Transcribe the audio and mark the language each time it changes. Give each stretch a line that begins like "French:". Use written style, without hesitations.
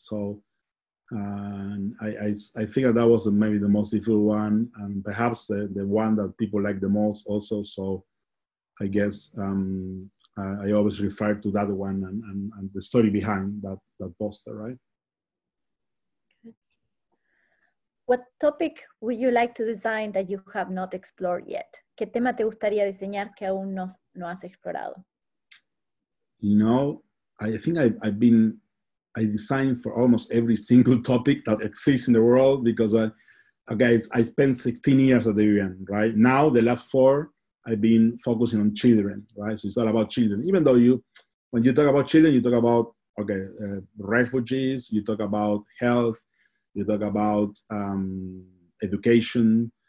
English: So I think that was maybe the most difficult one, and perhaps the one that people like the most also. So I guess I always refer to that one and the story behind that poster, right? What topic would you like to design that you have not explored yet?
Spanish: ¿Qué tema te gustaría diseñar que aún no has explorado?
English: You know, I think I designed for almost every single topic that exists in the world, because I spent 16 years at the UN, right? Now, the last four, I've been focusing on children, right? So it's all about children. Even though when you talk about children, you talk about, refugees, you talk about health, you talk about education.